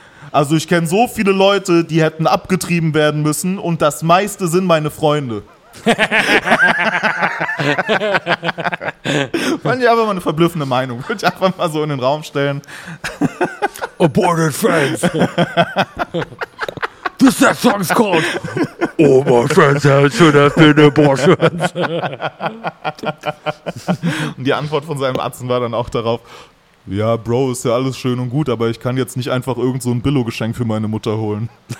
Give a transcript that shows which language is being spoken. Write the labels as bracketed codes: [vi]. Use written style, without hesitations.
[de] Also ich kenne so viele Leute, die hätten abgetrieben werden müssen und das meiste sind meine Freunde. Fand ich einfach mal eine verblüffende Meinung. Würde ich einfach mal so in den Raum stellen. [en] Aborted friends. This is that song is called All My Friends Should Have Been Abortions. [de] Und die Antwort von seinem Atzen war dann auch darauf, ja, Bro, ist ja alles schön und gut, aber ich kann jetzt nicht einfach irgend so ein Billo-Geschenk für meine Mutter holen.